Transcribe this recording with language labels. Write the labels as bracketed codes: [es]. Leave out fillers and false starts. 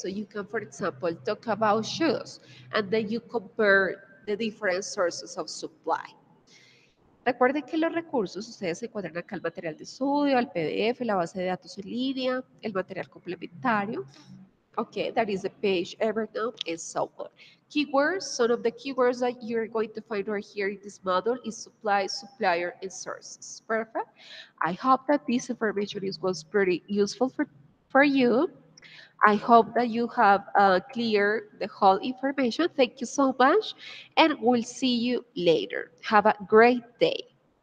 [en] So you can, for example, talk about shoes, and then you compare the different sources of supply. [es] Recuerden que los recursos, ustedes encuentran acá el material de estudio, el PDF, la base de datos en línea, el material complementario, okay? [en] That is the page Evernote and so on. Keywords, some of the keywords that you're going to find right here in this module is supply, supplier, and sources. Perfect. I hope that this information was pretty useful for you. I hope that you have clear the whole information. Thank you so much, and we'll see you later. Have a great day.